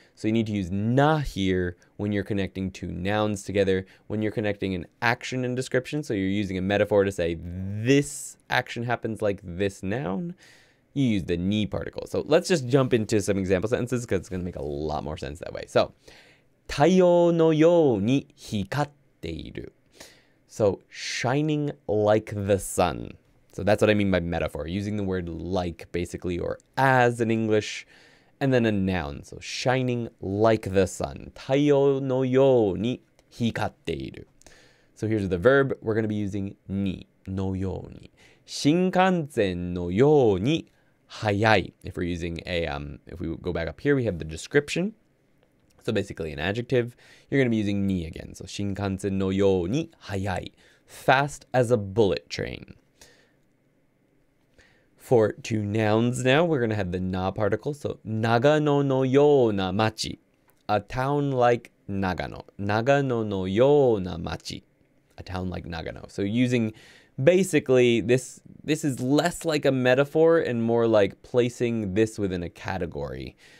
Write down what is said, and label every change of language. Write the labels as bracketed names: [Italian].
[English] So you need to use na here when you're connecting two nouns together, when you're connecting an action and description. So you're using a metaphor to say this action happens like this noun. You use the ni particle. So let's just jump into some example sentences because it's going to make a lot more sense that way. [Japanese] So, 太陽のように光っている. [English] So shining like the sun. So that's what I mean by metaphor. Using the word like basically or as in English. And then a noun. So shining like the sun. [Japanese] 太陽のように光っている. [English] So here's the verb. We're going to be using に, のように. [Japanese] 新幹線のように速い. [English] If we're using if we go back up here, we have the description. So basically an adjective. You're going to be using ni again. [Japanese] So 新幹線のように速い. [English] Fast as a bullet train. For two nouns now, we're going to have the na particle. So [Japanese] 長野のような町. [English] A town like 長野. [Japanese] 長野のような町. [English] A town like 長野. So using basically this is less like a metaphor and more like placing this within a category.